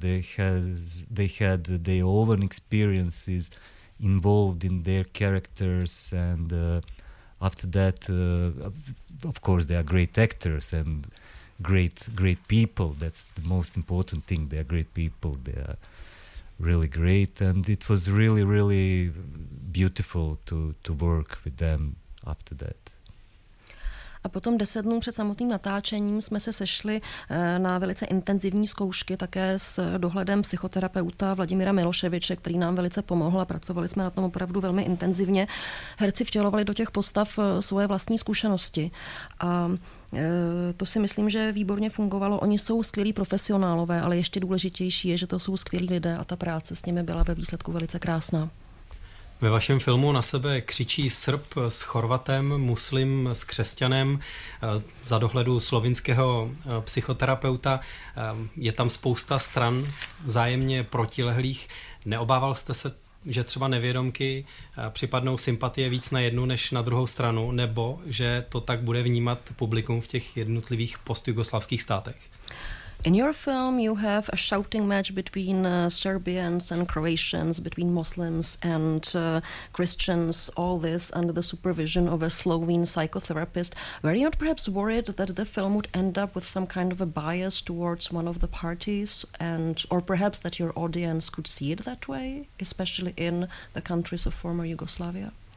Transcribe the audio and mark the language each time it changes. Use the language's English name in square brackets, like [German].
[English] They had their own experiences involved in their characters, and after that of course they are great actors and great people. That's the most important thing. They are great people, they are really great, and it was really, really beautiful to work with them after that. [Czech] A potom 10 dnů před samotným natáčením jsme se sešli na velice intenzivní zkoušky také s dohledem psychoterapeuta Vladimíra Miloševiče, který nám velice pomohl a pracovali jsme na tom opravdu velmi intenzivně. Herci vtělovali do těch postav svoje vlastní zkušenosti a to si myslím, že výborně fungovalo. Oni jsou skvělí profesionálové, ale ještě důležitější je, že to jsou skvělí lidé a ta práce s nimi byla ve výsledku velice krásná. Ve vašem filmu na sebe křičí Srb s Chorvatem, muslim s křesťanem za dohledu slovinského psychoterapeuta. Je tam spousta stran vzájemně protilehlých. Neobával jste se, že třeba nevědomky připadnou sympatie víc na jednu než na druhou stranu, nebo že to tak bude vnímat publikum v těch jednotlivých postjugoslavských státech? [English] In your film, you have a shouting match between Serbians and Croatians, between Muslims and Christians, all this under the supervision of a Slovene psychotherapist. Were you not perhaps worried that the film would end up with some kind of a bias towards one of the parties, and or perhaps that your audience could see it that way, especially in the countries of former Yugoslavia?